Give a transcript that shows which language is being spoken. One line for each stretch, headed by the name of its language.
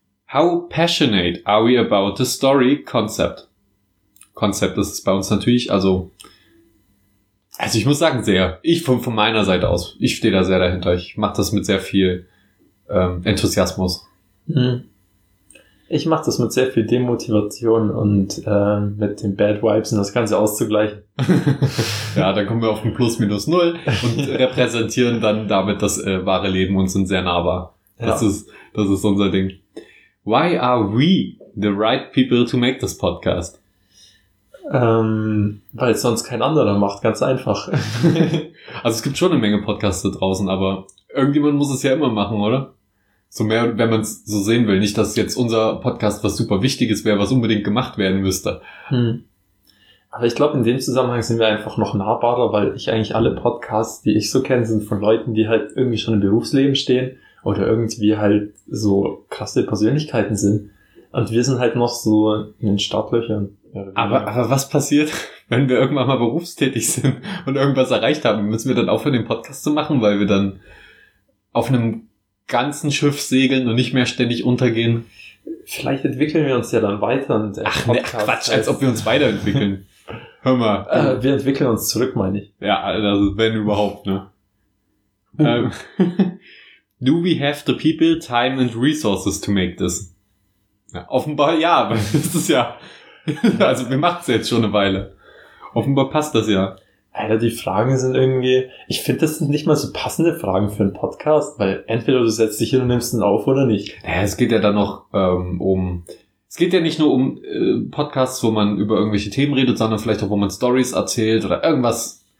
English: How passionate are we about the story concept?
German: Concept ist bei uns natürlich, also ich muss sagen, sehr. Ich von meiner Seite aus, ich stehe da sehr dahinter. Ich mache das mit sehr viel Enthusiasmus. Ich mache das mit sehr viel Demotivation und mit den Bad Vibes und das Ganze auszugleichen. Ja, dann kommen wir auf ein Plus, Minus, Null und repräsentieren dann damit das wahre Leben und sind sehr nahbar. Das ist unser Ding.
English: Why are we the right people to make this podcast?
German: Weil es sonst kein anderer macht, ganz einfach. Also es gibt schon eine Menge Podcasts da draußen, aber irgendjemand muss es ja immer machen, oder? So mehr, wenn man es so sehen will. Nicht, dass jetzt unser Podcast was super Wichtiges wäre, was unbedingt gemacht werden müsste. Aber ich glaube, in dem Zusammenhang sind wir einfach noch nahbarer, weil ich eigentlich alle Podcasts, die ich so kenne, sind von Leuten, die halt irgendwie schon im Berufsleben stehen oder irgendwie halt so krasse Persönlichkeiten sind. Und wir sind halt noch so in den Startlöchern. Aber was passiert, wenn wir irgendwann mal berufstätig sind und irgendwas erreicht haben? Müssen wir dann aufhören, den Podcast zu machen, weil wir dann auf einem ganzen Schiff segeln und nicht mehr ständig untergehen? Vielleicht entwickeln wir uns ja dann weiter. Und ach, ne, Quatsch, als ob wir uns weiterentwickeln. Hör mal. Wir entwickeln uns zurück, meine ich. Ja, also wenn überhaupt, ne?
English: Do we have the people, time and resources to make this?
German: Ja, offenbar ja, weil das ist ja... Also wir machen es jetzt schon eine Weile. Offenbar passt das ja. Alter, die Fragen sind irgendwie... Ich finde, das sind nicht mal so passende Fragen für einen Podcast, weil entweder du setzt dich hin und nimmst ihn auf oder nicht. Naja, es geht ja dann noch Es geht ja nicht nur um Podcasts, wo man über irgendwelche Themen redet, sondern vielleicht auch, wo man Stories erzählt oder irgendwas